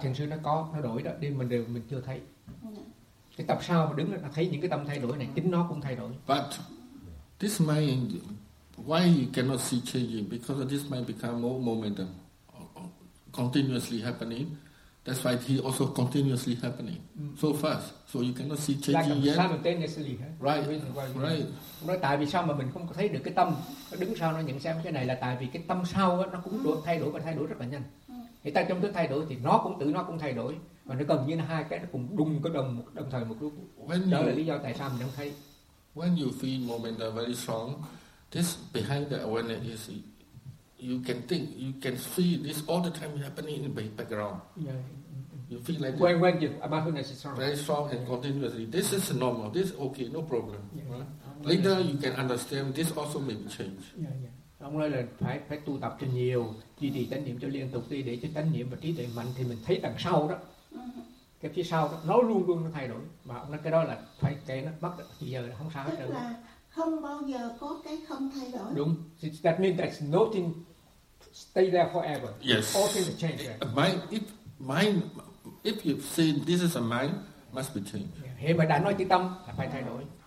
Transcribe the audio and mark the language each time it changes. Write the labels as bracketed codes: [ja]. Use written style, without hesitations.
[vi] Thành sự nó có, nó đổi đó, nên mình chưa thấy. Cái tập sau mà đứng là thấy những cái tâm thay đổi này, chính nó cũng thay đổi. [en] But this mind, why you cannot see changing? Because of this mind become more momentum, continuously happening. That's why he also continuously happening so fast. So you cannot see changing yet. Right. [vi] Tại vì sao mà mình không thấy được cái tâm đứng sau nó nhận xem cái này là tại vì cái tâm sau nó cũng thay đổi và thay đổi rất là nhanh. Thì ta trong cái thay đổi thì nó cũng tự nó cũng thay đổi. Và nó gần như là hai cái nó cùng đung cái đồng thời một lúc. Đó là lý do tại sao mình không thấy. [en] When you feel momentum very strong, this behind the awareness is you can think, you can feel this all the time happening in the background. Yeah. You feel like when you awareness is strong. Very strong and continuously. This is normal, this is okay, no problem. Yeah. Right? Later you can understand this also may be changed. [vi] Yeah, yeah. Ông nói là phải tu tập cho nhiều, duy trì tánh niệm cho liên tục đi để cho tánh niệm và trí tuệ mạnh thì mình thấy đằng sau đó. Cái phía sau đó, nó luôn luôn nó thay đổi. Mà nó cái đó là phải cái nó mất thì giờ là không sao hết. Tức là không bao giờ có cái không thay đổi. Đúng. [en] That means that nothing stay there forever. Yes. All things change. Right? If you've seen this is a mind, must be changed. [vi] Thế mà đã nói chữ tâm là phải thay đổi.